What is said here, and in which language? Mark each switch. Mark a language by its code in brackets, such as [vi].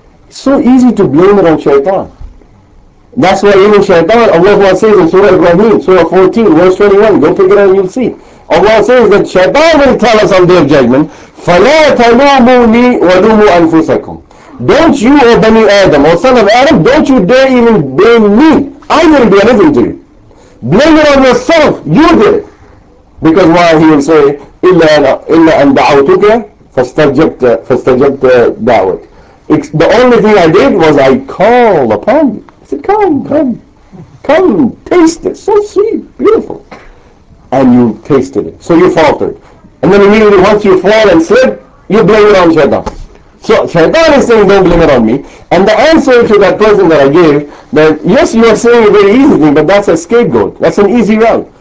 [en] So easy to blame it on Shaitan. That's why even Shaitan, Allah says in Surah Ibrahim, Surah 14, verse 21, go pick it up and you'll see. Allah says that Shaitan will tell us on Day of Judgment, [ar] فَلَا تَلُومُونِي وَلُومُوا أَنفُسَكُمْ. [en] Don't you, O Bani Adam, O son of Adam, don't you dare even blame me. I will do anything to you. Blame it on yourself. You did it. Because why? He will say, [ar] إِلَّا أَنْ دَعَوْتُكَ فَاسْتَجَبْتَ دَعْوَتْ. [en] The only thing I did was I called upon you. He said, come, taste it, so sweet, beautiful. And you tasted it, so you faltered. And then immediately once you fall and slip, you blame it on Shaitan. So Shaitan is saying, don't blame it on me. And the answer to that person that I gave, that yes, you are saying a very easy thing, but that's a scapegoat, that's an easy route.